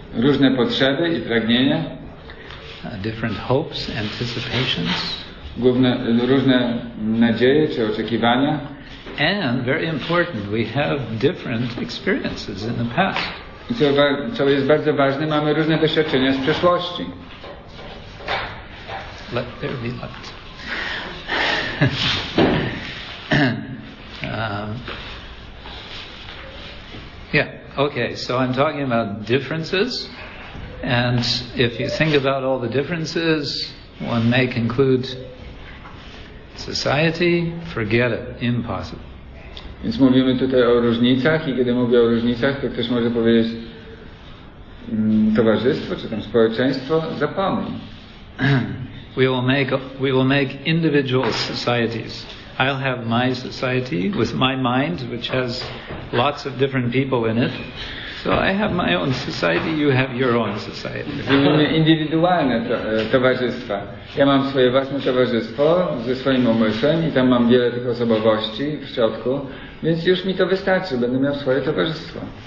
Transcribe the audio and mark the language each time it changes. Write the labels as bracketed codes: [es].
[pl] Różne potrzeby i pragnienia. [en] Different hopes, anticipations. [pl] Różne nadzieje czy oczekiwania. [en] And very important, we have different experiences in the past. [pl] Co jest bardzo ważne, mamy różne doświadczenia z przeszłości. [en] Let there be light. Yeah, okay, so I'm talking about differences, and if you think about all the differences, one may conclude society, forget it, impossible. [pl] Więc mówimy tutaj o różnicach i kiedy mówię o różnicach, to ktoś może powiedzieć towarzystwo czy tam społeczeństwo, zapomnij. [en] We will make individual societies. I'll have my society with my mind, which has lots of different people in it. So I have my own society, you have your own society. [pl] Zrobimy indywidualne towarzystwa. Ja mam swoje własne towarzystwo ze swoim umysłem i tam mam wiele tych osobowości w środku, więc już mi to wystarczy, będę miał swoje towarzystwo.